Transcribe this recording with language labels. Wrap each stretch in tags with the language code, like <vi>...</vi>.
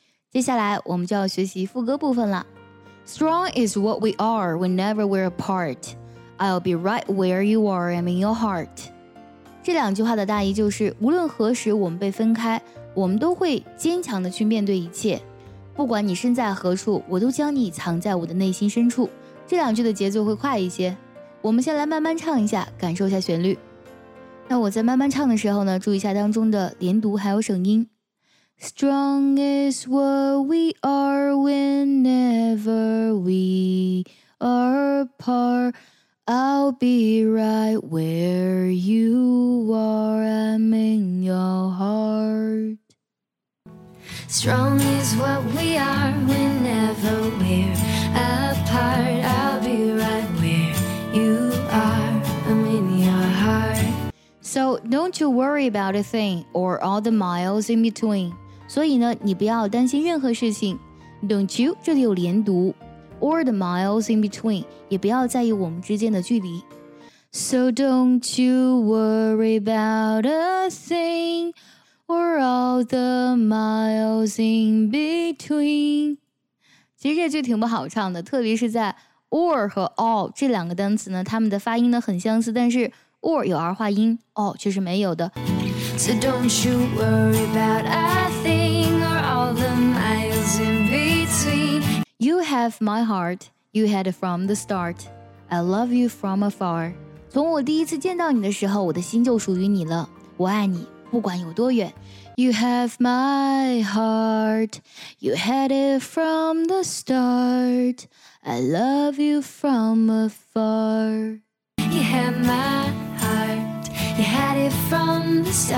<zh>接下来我们就要学习副歌部分了。</zh> <en>Strong is what we are whenever we're apart. I'll be right where you are, I'm in your heart.</en> <zh>这两句话的大意就是，无论何时我们被分开，我们都会坚强地去面对一切。不管你身在何处，我都将你藏在我的内心深处。这两句的节奏会快一些，我们先来慢慢唱一下，感受一下旋律。那我在慢慢唱的时候呢，注意一下当中的连读还有省音。</zh> <en>Strong is what we are whenever we are apart. I'll be right where you are, I'm in your heart. Strong is what we are whenever we're apart. I'll be right where you are, I'm in your heart. So don't you worry about a thing or all the miles in between.</en> <zh>所以呢你不要担心任何事情，</zh> <en>Don't you</en> <zh>这里有连读，</zh> <en>Or the miles in between</en> <zh>也不要在意我们之间的距离。</zh> <en>So don't you worry about a thing Or all the miles in between。</en> <zh>其实这句挺不好唱的，特别是在 or 和 all 这两个单词呢，它们的发音呢很相似，但是 or 有儿化音， all 却是没有的。</zh> <en>So don't you worry about a thing or all the miles in between. You have my heart, you had it from the start. I love you from afar.</en> <zh>从我第一次见到你的时候，我的心就属于你了。我爱你，不管有多远。</zh> <en>You have my heart, you had it from the start. I love you from afar. You have my heart, you had it from the start.</en>